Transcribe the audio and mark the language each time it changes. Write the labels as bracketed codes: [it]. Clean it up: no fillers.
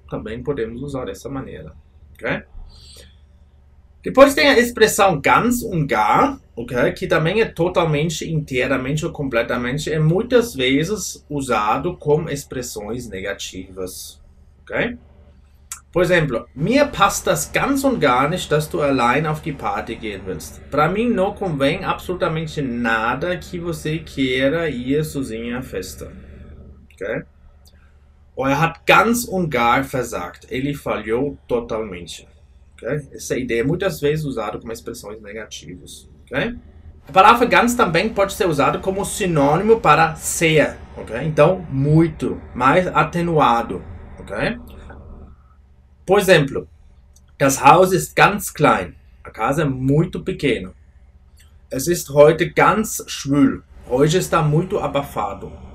[pt] Também podemos usar dessa maneira. Okay? Depois tem a expressão ganz und gar, okay? Que também é totalmente, inteiramente ou completamente. É muitas vezes usado com expressões negativas. Okay? Por exemplo, [de] mir passt das ganz und gar nicht, dass du allein auf die Party gehen willst. [pt] Para mim não convém absolutamente nada que você queira ir sozinha à festa. Okay? [de] Ou er hat ganz und gar versagt. [pt] Ele falhou totalmente. Okay? Essa ideia é muitas vezes usada como expressões negativas. Okay? A palavra ganz também pode ser usada como sinônimo para ser. Okay? Então, muito mais atenuado. Okay? Por exemplo, [de] das Haus ist ganz klein. [pt] A casa é muito pequena. [de] Es ist heute ganz schwül. [pt] Hoje está muito abafado.